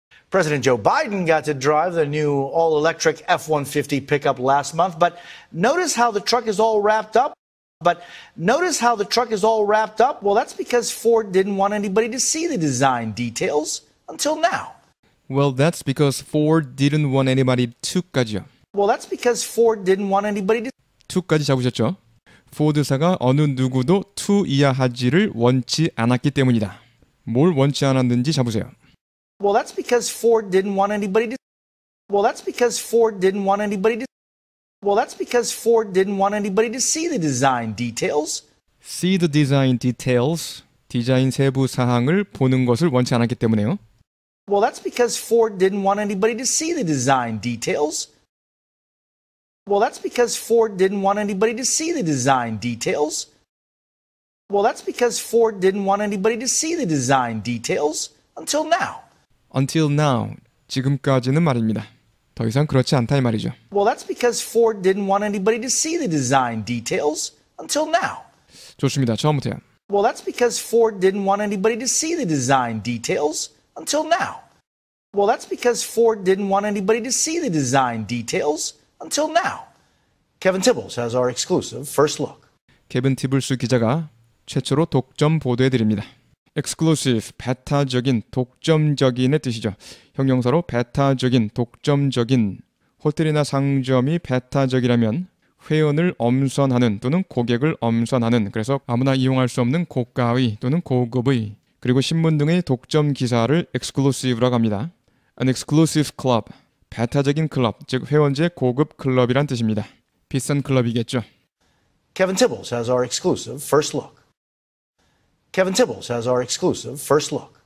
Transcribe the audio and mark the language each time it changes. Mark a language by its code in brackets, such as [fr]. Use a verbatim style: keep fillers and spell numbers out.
[en] President Joe Biden got to drive the new all-electric F one fifty pickup last month, but notice how the truck is all wrapped up. But notice how the truck is all wrapped up. Well, that's because Ford didn't want anybody to see the design details until now. Well, that's because Ford didn't want anybody to까지요. Well, that's because Ford didn't want anybody to [ko] to까지 잡으셨죠? 포드사가 어느 누구도 to 이하 하지를 원치 않았기 때문이다. 뭘 원치 않았는지 잡으세요. [en] Well, that's because Ford didn't want anybody to Well, that's because Ford didn't want anybody to Well, that's because Ford didn't want anybody to see the design details. See the design details. [ko] 디자인 세부 사항을 보는 것을 원치 않았기 때문에요. [en] Well, that's because Ford didn't want anybody to see the design details. Well, that's because Ford didn't want anybody to see the design details. Well, that's because Ford didn't want anybody to see the design details until now. Until now. [ko] 지금까지는 말입니다. 더 이상 그렇지 않다 이 말이죠. Well, that's because Ford didn't want anybody to see the design details until now. 좋습니다. 처음부터요. [en] Well, that's because Ford didn't want anybody to see the design details until now. Well, that's because Ford didn't want anybody to see the design details until now. Kevin Tibbles has our exclusive first look. [ko] 케빈 티블스 기자가 최초로 독점 보도해 드립니다. exclusive, 베타적인, 독점적인의 뜻이죠. 형용사로 베타적인, 독점적인. 호텔이나 상점이 베타적이라면 회원을 엄선하는 또는 고객을 엄선하는, 그래서 아무나 이용할 수 없는 고가의 또는 고급의, 그리고 신문 등의 독점 기사를 exclusive라고 합니다. [en] An exclusive club. [ko] 배타적인 클럽, 즉 회원제 고급 클럽이란 뜻입니다. 비싼 클럽이겠죠. [en] Kevin Tibbles has our exclusive first look. Kevin Tibbles has our exclusive first look.